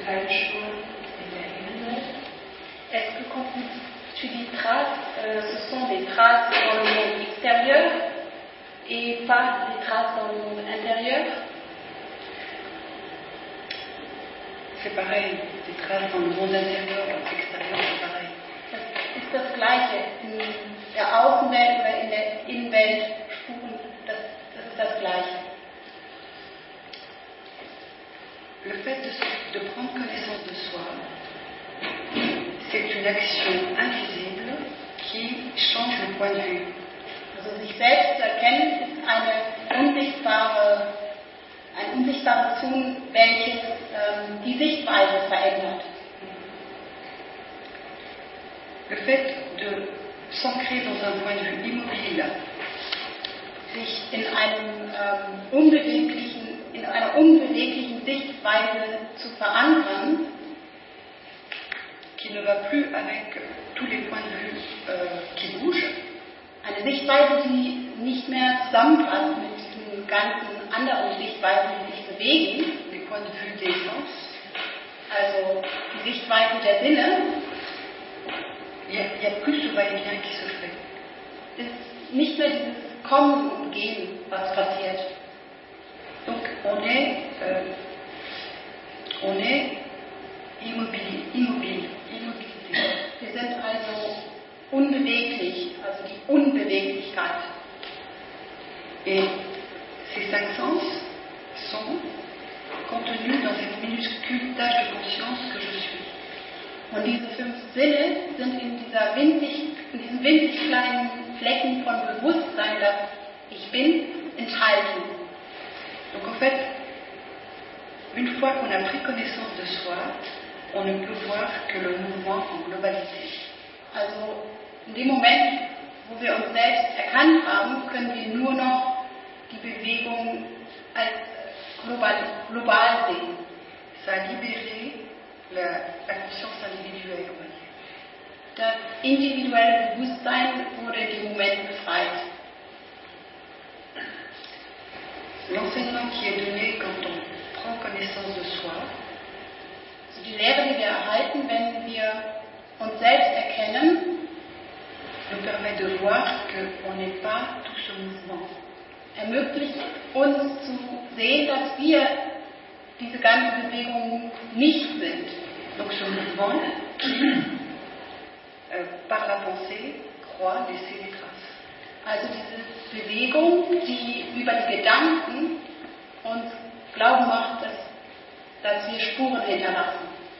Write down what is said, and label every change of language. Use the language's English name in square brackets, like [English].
[French] Est-ce que quand tu dis traces, ce sont des traces dans le monde extérieur et pas des traces dans le monde intérieur? C'est pareil, des traces dans le monde intérieur et extérieur, c'est pareil. C'est [German] das gleiche, in der Außenwelt oder in der Innenwelt Spuren, das ist das gleiche. [French] Le fait de prendre connaissance de soi, c'est une action invisible qui change le point de vue. [German] Also, sich selbst zu erkennen, ist ein unsichtbares Tun, welches die Sichtweise verändert. [French] Le fait de s'ancrer dans un point de vue immobile, [German] sich in einem unbeweglichen Sichtweise zu verankern, [French] qui ne va plus avec tous les points de vue qui bougent, [German] eine Sichtweise, die nicht mehr zusammenpasst mit diesen ganzen anderen Sichtweisen, die sich bewegen, [French] les points de vue des sens, [German] also die Sichtweise der Sinne, [French] y a plus ce va-et-vient qui se fait, [German] ist nicht mehr dieses Kommen und Gehen, was passiert. [French] Donc on est immobile. [German] Wir sind also unbeweglich, also die Unbeweglichkeit. [French] Et ces cinq sens sont contenus dans cette minuscule tache de conscience que je suis. [German] Und diese fünf Sinne sind in diesen winzig kleinen Flecken von Bewusstsein, das ich bin, enthalten. [French] Donc en fait, une fois qu'on a pris connaissance de soi, on ne peut voir que le mouvement en globalité. [German] Also, in dem Moment, wo wir uns selbst erkannt haben, können wir nur noch die Bewegung als global sehen. [French] Ça a libéré la conscience individuelle, vous voyez. [German] Das individuelle Bewusstsein wurde in dem Moment befreit. [French] L'enseignement qui est donné quand on prend connaissance de soi, [German] so die Lehre, die wir erhalten, wenn wir uns selbst erkennen, [French] nous permet de voir qu'on n'est pas tout ce mouvement. [German] Ermöglicht uns zu sehen, dass wir diese ganze Bewegung nicht sind. [French] Donc ce mouvement qui, par la pensée, croit laisser des traces. [German] Also diese Bewegung, die über die Gedanken uns glauben macht, dass wir Spuren hinterlassen.